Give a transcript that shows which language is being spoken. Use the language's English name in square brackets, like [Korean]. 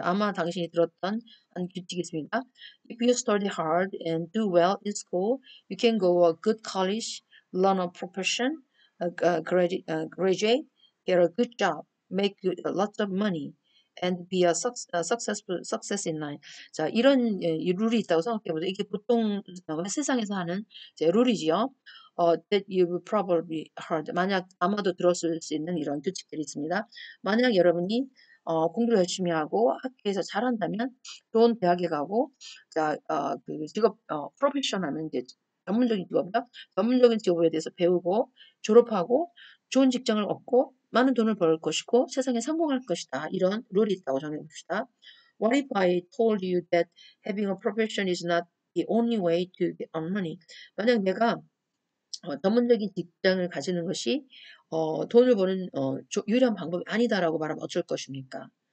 [Korean] 아마 당신이 들었던 한 규칙이 있습니다. [English] If you study hard and do well in school, you can go to a good college. Learn a profession, graduate, get a good job, make lots of money, and be a successful in life. [Korean] 자, 이런 이 룰이 있다고 생각해보세요. 이게 보통 세상에서 하는 이제 룰이지요. [English] That you've probably heard. [Korean] 만약 아마도 들었을 수 있는 이런 규칙들이 있습니다. 만약 여러분이 공부를 열심히 하고 학교에서 잘한다면 좋은 대학에 가고, 자, 그 직업, profession 하면 이제 전문적인 직업이다. 전문적인 직업에 대해서 배우고 졸업하고 좋은 직장을 얻고 많은 돈을 벌 것이고 세상에 성공할 것이다. 이런 룰이 있다고 정해봅시다. [English] What if I told you that having a profession is not the only way to get money? [Korean] 만약 내가 전문적인 직장을 가지는 것이 돈을 버는 유일한 방법이 아니다라고 말하면 어쩔 것입니까?